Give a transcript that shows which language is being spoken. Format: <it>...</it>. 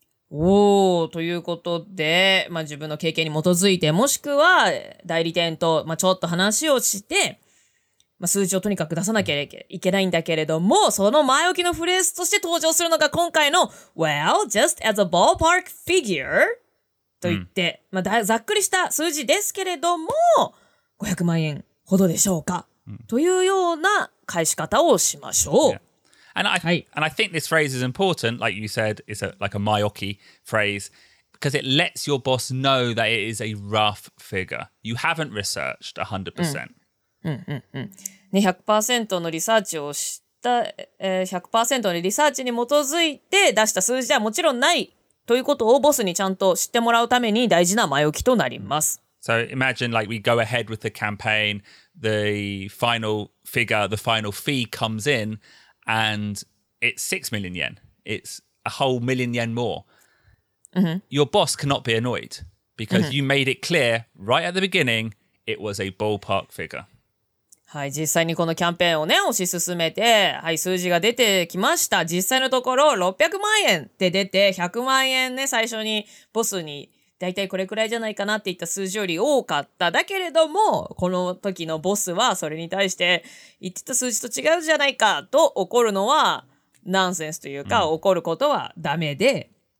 <ja>Oh, ということで、まあ、自分の経験に基づいて、もしくは代理店と、まあ、ちょっと話をして、まあ、数字をとにかく出さなきゃいけないんだけれども、その前置きのフレーズとして登場するのが今回の</ja> <en>Well, just as a ballpark figure</en> <ja>と言って、うん、まあ、ざっくりした数字ですけれども、500万円ほどでしょうか。というような返し方をしましょう。</ja> <en>Yeah. And, I think this phrase is important, like you said, it's a, like a myoki phrase, because it lets your boss know that it is a rough figure. You haven't researched 100%.</en> <ja>うんうんうん、200% のリサーチをした、100% のリサーチに基づいて出した数字はもちろんないということをボスにちゃんと知ってもらうために大事な前置きとなります。</ja> <en>So imagine like we go ahead with the campaign, the final figure, the final fee comes in and it's 6 million yen. It's a whole million yen more. Mm-hmm. Your boss cannot be annoyed because mm-hmm. you made it clear right at the beginning it was a ballpark figure.</en> <ja>はい、実際にこのキャンペーンをね、推し進めて、はい、数字が出てきました。実際のところ600万円って出て、100万円ね、最初にボスに大体これくらいじゃないかなって言った数字より多かった。だけれども、この時のボスはそれに対して言ってた数字と違うじゃないかと怒るのはナンセンスというか、うん、怒ることはダメで。</ja>